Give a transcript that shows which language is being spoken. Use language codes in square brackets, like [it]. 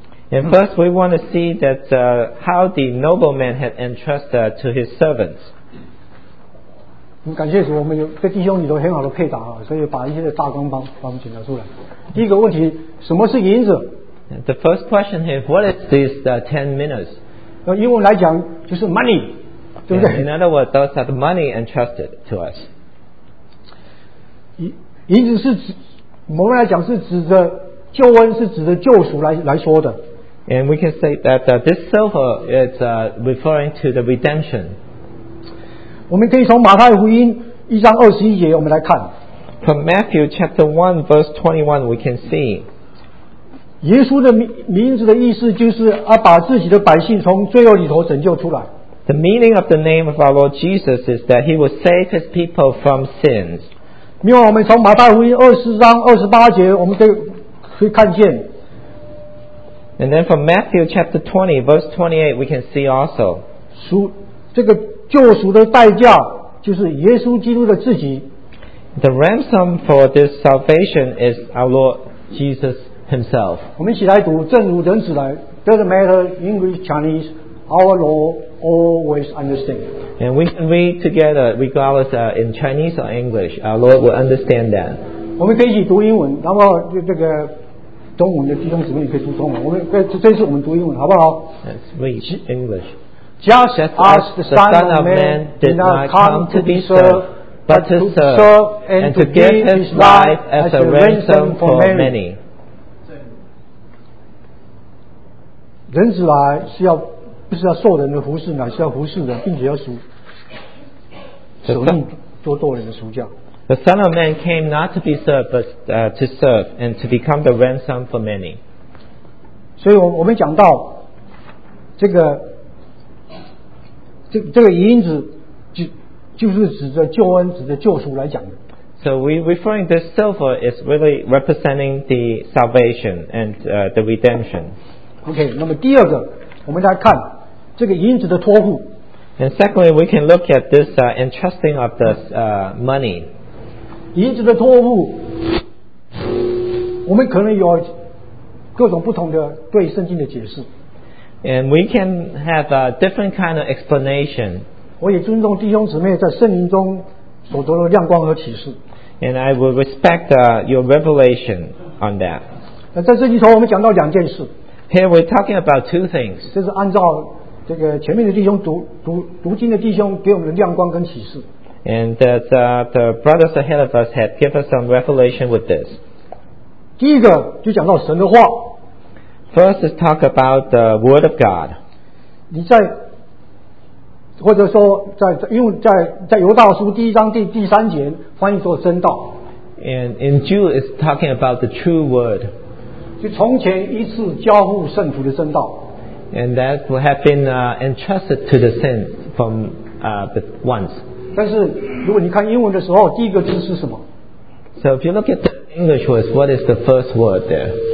[en] And first we want to see that how the nobleman had entrusted to his servants. [zh] 感谢主，我们有这弟兄里头很好的配搭，所以把一些的大纲帮我们检查出来。第一个问题，什么是银子 [en] ？The first question here, what is this 10 minas? [zh] 英文来讲就是 money， 对不对 [en] ？In other words, those are the money entrusted to us. [zh] 银子是指，我们来讲是指着救恩，是指着救赎来说的。 [en] And we can say that this silver is referring to the redemption. [zh] 我们可以从马太福音一章二十一节我们来看。 [en] From Matthew chapter 1 verse 21 we can see [zh] 耶稣的名字的意思就是把自己的百姓从罪恶里头拯救出来。 [en] The meaning of the name of our Lord Jesus is that he will save his people from sins. [zh] 另外我们从马太福音20章28节我们可以看见。 [en] And then from Matthew chapter 20 verse 28 we can see also [zh] 这个救赎的代价就是耶稣基督的自己。 [en] The ransom for this salvation is our Lord Jesus Himself. [zh] 我们一起来读，正如人子来 [en] ，Doesn't matter English, Chinese, our Lord always understands. And we can read together, regardless in Chinese or English, our Lord will understand that. [zh] 我们可以一起读英文，然后这个中文的弟兄姊妹也可以读中文。我们这次我们读英文，好不好 [en] ？Let's read English. Just as the Son of Man did not come to be served. But to serve and to give his life as a ransom for many. [zh] 人子来是要不是要受人的服侍，乃是要服侍人，并且要赎舍命做堕人的赎价。 [en] The Son of Man came not to be served, but to serve and to become the ransom for many. [zh] 所以我们讲到这个银子。就是指着救恩，指着救赎来讲的。 [en] So we referring this silver is really representing the salvation and the redemption. [zh] OK， 那么第二个，我们来看这个银子的托付。 [en] And secondly, we can look at this entrusting of the money. [zh] 银子的托付，我们可能有各种不同的对圣经的解释。 [en] And we can have a different kind of explanation. [zh] 我也尊重弟兄姊妹在圣灵中所得的亮光和启示。 [en] And I will respect your revelation on that. [zh] 那在这里头我们讲到两件事。 [en] Here we're talking about two things. [zh] 这是按照这个前面的弟兄读经的弟兄给我们的亮光跟启示。 [en] And that the brothers ahead of us had given some revelation with this. [zh] 第一个就讲到神的话。 [en] First is talk about the word of God. [zh] 你在或者说在因为在在犹大书第一章 第三节翻译作真道。 [en] And in Jude is talking about the true word. [zh] 就从前一次交付圣徒的真道。 [en] And that would have been entrusted to the saints from once. [zh] 但是如果你看英文的时候第一个字是什么？ [en] So if you look at the English words, what is the first word there?